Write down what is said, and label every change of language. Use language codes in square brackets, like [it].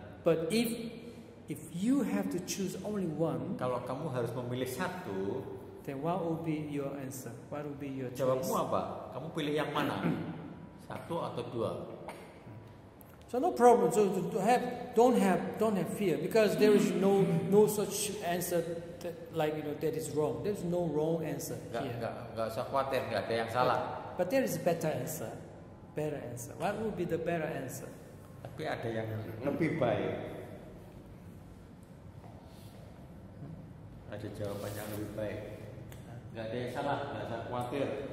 [en] But if you have to choose only one, [id] kalau kamu harus memilih satu, [en] then what will be your answer? What will be your choice? [id] Jawabmu apa? Kamu pilih yang mana? Satu atau dua? [en] So no problem. So don't have fear because there is no such answer that, like you know that is wrong. There's no wrong answer here. [id] Enggak usah khawatir, enggak ada yang salah. [en] But there is a better answer. What would be the better answer? [id] Tapi ada yang lebih baik. Ada jawaban yang lebih baik. Enggak ada yang salah, enggak usah khawatir.